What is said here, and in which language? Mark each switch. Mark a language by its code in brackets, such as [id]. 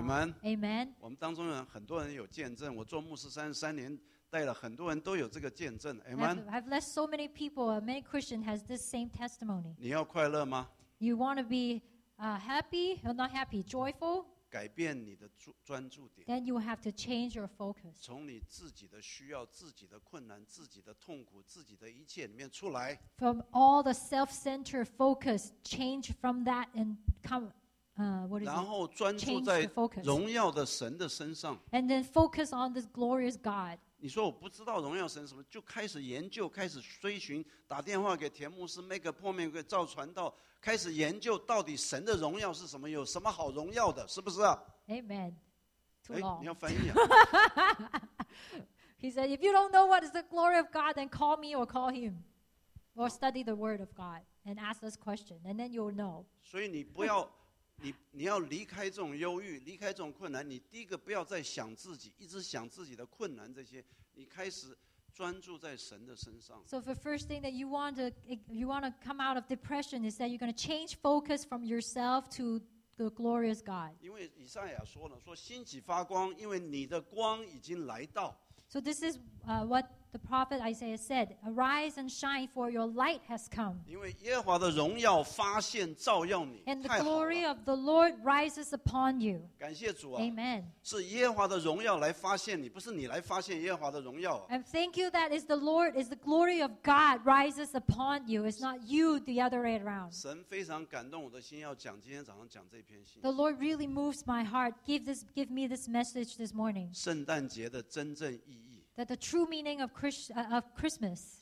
[en] Amen. Amen. [zh] 我们当中有很多人有见证。我做牧师33年，带了很多人都有这个见证。 [en] Amen. I've led so many people. Many Christians has this same testimony. [zh] 你要快乐吗 [en] ？You want to be happy or not happy? Joyful. [zh] 改变你的专注点。 [en] Then you have to change your focus. [zh] 从你自己的需要、自己的困难、自己的痛苦、自己的一切里面出来。 [en] From all the self-centered focus, change from that and come. [zh] 然后专注在荣耀的神的身上 [en] and then focus on this glorious God. [zh] 你说我不知道荣耀神什么，就开始研究，开始追寻，打电话给田牧师 ， [en] make appointment [zh] 给赵传道，开始研究到底神的荣耀是什么，有什么好荣耀的，是不是、啊、 [en] ？Amen. Too long. [zh] 你要翻译啊。 [en] He said, "If you don't know what is the glory of God, then call me or call him, or study the Word of God and ask this question, and then you'll know." [zh] 所以你不要。你要离开这种忧郁，离开这种困难。你第一个不要再想自己，一直想自己的困难这些。你开始专注在神的身上。 [en] So the first thing that you want to come out of depression is that you're going to change focus from yourself to the glorious God. [zh] 因为以赛亚说了，说兴起发光，因为你的光已经来到。 [en] So this is what the prophet Isaiah said, "Arise and shine, for your light has come." [zh] 因为耶和华的荣耀发现照耀你。 [en] And the glory of the Lord rises upon you. [zh] 感谢主啊。 [en] Amen. [zh] 是耶和华的荣耀来发现你，不是你来发现耶和华的荣耀。 [en] And thank you that is the Lord, is the glory of God rises upon you. It's not you the other way around. [zh] 神非常感动我的心，要讲今天早上讲这篇信息。 [en] The Lord really moves my heart. Give me this message this morning. [zh] 圣诞节的真正意义。 [en] That the true meaning of Christmas